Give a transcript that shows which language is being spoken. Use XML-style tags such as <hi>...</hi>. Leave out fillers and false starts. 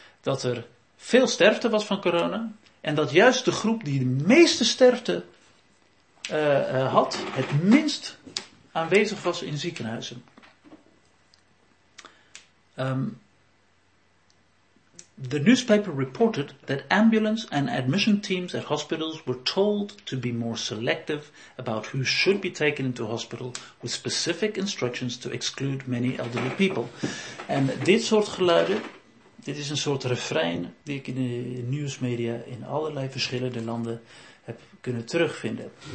<nl>Dat er veel sterfte was van corona en dat juist de groep die de meeste sterfte had, het minst aanwezig was in ziekenhuizen.</nl> <en>The newspaper reported that ambulance and admission teams at hospitals were told to be more selective about who should be taken into hospital with specific instructions to exclude many elderly people.</en> <nl>En dit soort geluiden, dit is een soort refrein die ik in de nieuwsmedia in allerlei verschillende landen heb kunnen terugvinden.</nl>